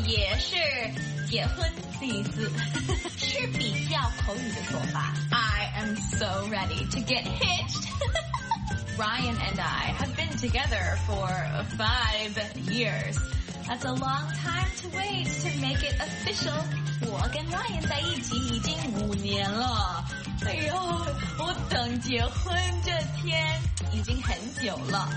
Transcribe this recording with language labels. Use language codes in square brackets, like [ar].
[zh] 也是结婚的意思，是比较口语的说法。 [en] I am so ready to get hitched. Ryan and I have been together for 5 years. That's a long time to wait to make it official. [zh] 我跟 Ryan 在一起已经5年了，哎呦，我等结婚这天已经很久了。